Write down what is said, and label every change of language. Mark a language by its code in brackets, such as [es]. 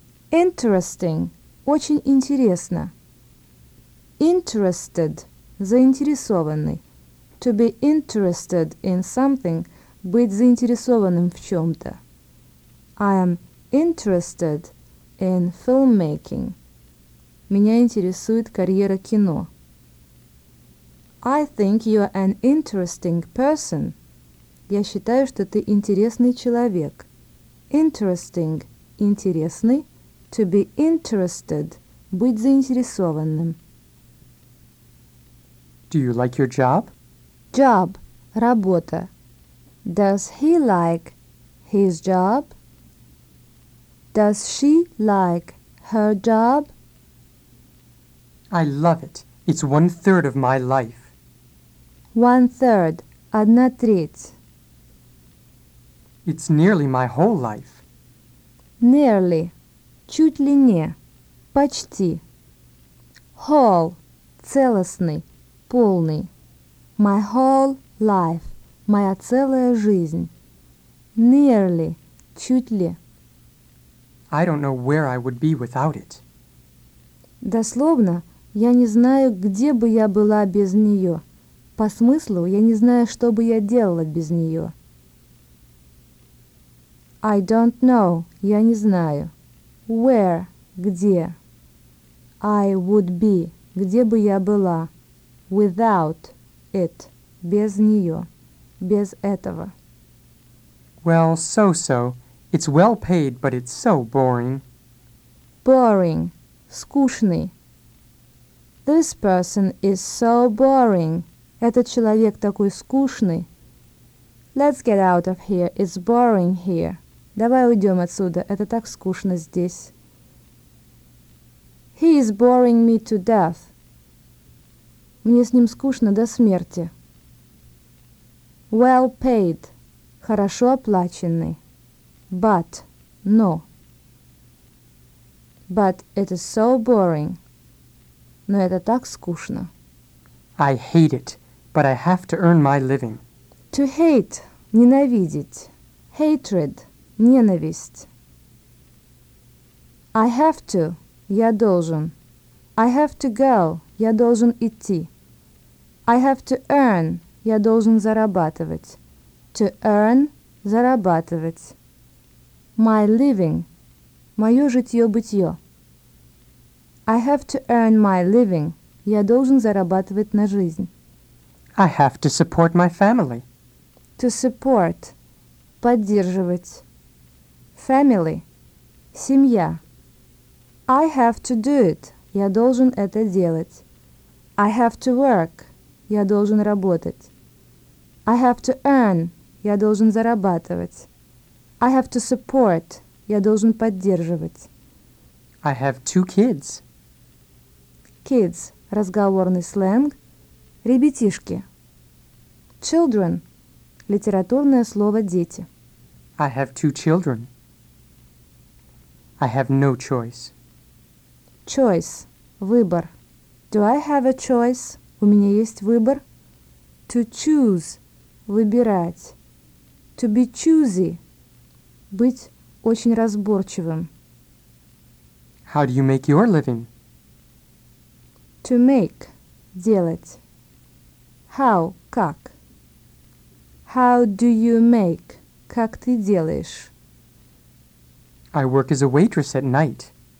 [ru] Interesting. Очень интересно. [en] Interested, заинтересованный. To be interested in something, [ru] быть заинтересованным в чем-то. [en] I am interested in filmmaking. [ru] Меня интересует карьера кино. [en] I think you are an interesting person. [ru] Я считаю, что ты интересный человек. [en] Interesting, интересный. To be interested, [ru] быть заинтересованным. [en] Do you like your job? Job. Работа. Does he like his job? Does she like her job? I love it. It's one third of my life. One third. [ru] Одна треть. [en] It's nearly my whole life. [ru] Nearly. Чуть ли не. Почти. Whole. Целостный. Полный. [en] My whole life. [ru] Моя целая жизнь. Nearly. Чуть ли. [en] I don't know where I would be without it. [ru] Дословно, я не знаю, где бы я была без нее. По смыслу, я не знаю, что бы я делала без нее. [en] I don't know. [ru] Я не знаю. [en] Where. Где. I would be. [ru] Где бы я была. [en] Without it. [ru] Без нее. Без этого. [en] Well, so-so. It's well paid, but it's so boring. Boring. Скучный. This person is so boring. [ru] Этот человек такой скучный. [en] Let's get out of here. It's boring here. [ru] Давай уйдем отсюда. Это так скучно здесь. [en] He is boring me to death. [ru] Мне с ним скучно до смерти. [en] Well paid. [ru] Хорошо оплаченный. [en] But. Но. But it is so boring. [ru] Но это так скучно. [en] I hate it, but I have to earn my living. To hate. Ненавидеть. Hatred. Ненависть. I have to. [ru] Я должен. [en] I have to go. [ru] Я должен идти. [en] I have to earn. [ru] Я должен зарабатывать. [en] To earn. Зарабатывать. My living. [ru] Моё житьё-бытьё. [en] I have to earn my living. [ru] Я должен зарабатывать на жизнь. [en] I have to support my family. To support. Поддерживать. Family. Семья. I have to do it. [ru] Я должен это делать. [en] I have to work. [ru] Я должен работать. [en] I have to earn. [ru] Я должен зарабатывать. [en] I have to support. [ru] Я должен поддерживать. [en] I have two kids. Kids. [ru] Разговорный сленг. Ребятишки. [en] Children. [ru] Литературное слово «дети». [en] I have two children. I have no choice. Choice. Выбор. Do I have a choice? [ru] У меня есть выбор. [en] To choose. [ru] Выбирать. [en] To be choosy. [ru] Быть очень разборчивым. [en] How do you make your living? To make. Делать. How. Как. How do you make? [ru] Как ты делаешь? [en] I work as a waitress at night.